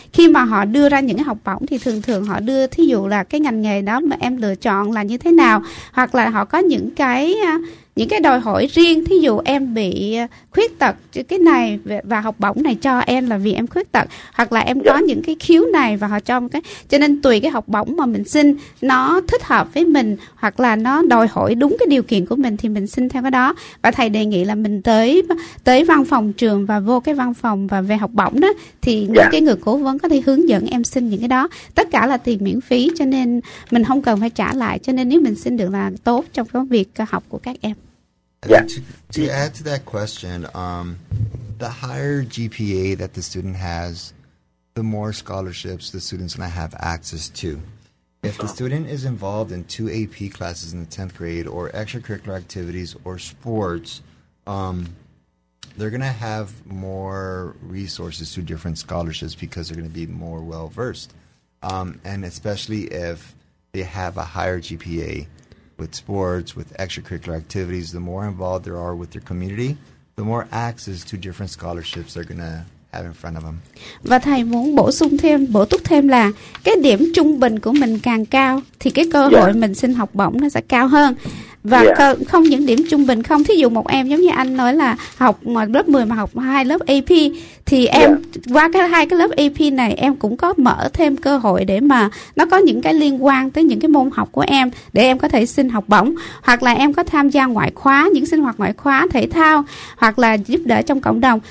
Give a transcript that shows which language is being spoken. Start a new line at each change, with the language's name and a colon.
Vietnamese: Khi mà họ đưa ra những cái học bổng thì thường thường họ đưa thí dụ là cái ngành nghề đó mà em lựa chọn là như thế nào, hoặc là họ có những cái đòi hỏi riêng, thí dụ em bị khuyết tật cái này và học bổng này cho em là vì em khuyết tật, hoặc là em có những cái khiếu này và họ cho một cái, cho nên tùy cái học bổng mà mình xin nó thích hợp với mình hoặc là nó đòi hỏi đúng cái điều kiện của mình thì mình xin theo cái đó. Và thầy đề nghị là mình tới văn phòng trường và vô cái văn phòng và về học bổng đó thì những cái người cố vấn có thể hướng dẫn em xin những cái đó. Tất cả là tiền miễn phí cho nên mình không cần phải trả lại, cho nên nếu mình xin được là tốt trong cái việc học của các em.
English: To add to that question, the higher GPA that the student has, the more scholarships the student's going to have access to. If the student is involved in two AP classes in the 10th grade or extracurricular activities or sports, they're going to have more resources to different scholarships because they're going to be more well-versed. And especially if they have a higher GPA with sports, with extracurricular activities, the more involved they are with their community, the more access to different scholarships they're going to have in front of them.
Vietnamese: Và thầy muốn bổ túc thêm là cái điểm trung bình của mình càng cao thì cái cơ hội mình xin học bổng nó sẽ cao hơn. Và không những điểm trung bình không, thí dụ một em giống như anh nói là học mà lớp 10 mà học hai lớp AP thì em qua cái hai cái lớp AP này em cũng có mở thêm cơ hội để mà nó có những cái liên quan tới những cái môn học của em để em có thể xin học bổng, hoặc là em có tham gia ngoại khóa, những sinh hoạt ngoại khóa thể thao, hoặc là giúp đỡ trong cộng đồng.